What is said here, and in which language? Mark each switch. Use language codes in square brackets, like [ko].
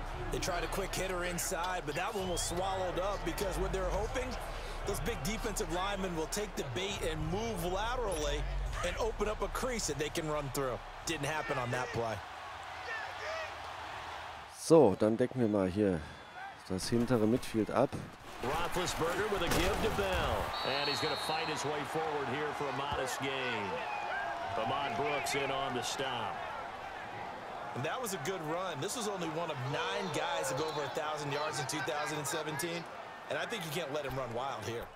[en] They tried a quick hitter inside, but that one was swallowed up because what they're hoping, those big defensive linemen will take the bait and move laterally and open up a crease that they can run through. Didn't happen on that play. [de] So, dann decken wir mal hier das hintere Midfield ab. [en] Roethlisberger with a give to Bell. And he's going to fight his way forward here for a modest gain. Ahmad Brooks in on the stop. And that was a good run. This was only one of nine guys of over 1,000 yards in 2017. And I think you can't let him run wild here.